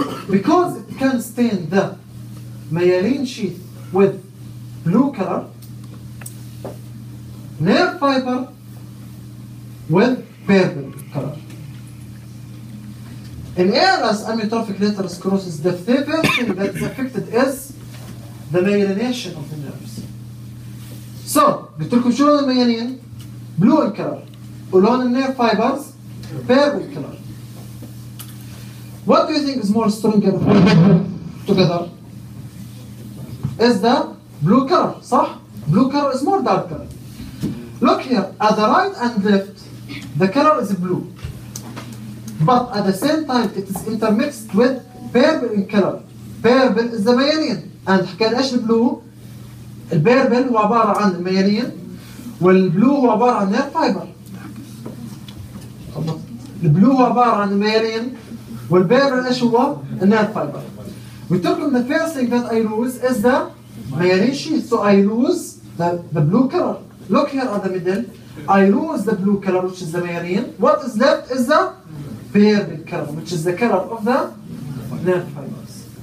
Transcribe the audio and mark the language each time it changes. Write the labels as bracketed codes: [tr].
[en] Because it can stain the myelin sheath with blue color, nerve fiber with purple color. In ALS, amyotrophic lateral sclerosis, the first thing that is affected is the myelination of the nerves. So, [ar] قلت لكم شو لون الميلين؟ [en] Blue in color. [ar] ولون النيرف فايبرز؟ [en] Purple color. What do you think is more stronger together? Is the blue color, [ar] صح؟ [en] Blue color is more dark color. Look here, at the right and left, the color is blue. But at the same time, it is intermixed with purple in color. Purple is the myelin. And [ar] حكينا إيش البلو؟ البيربل هو عبارة عن الميلين والبلو هو عبارة عن نير فايبر. البلو هو عبارة عن الميلين والبيربل إيش هو؟ النير فايبر. وتركم [en] the first thing that I lose is the myelin sheath. So I lose the blue color. Look here at the middle. I lose the blue color which is the myelin. What is left is the purple color which is the color of the nerve fibers.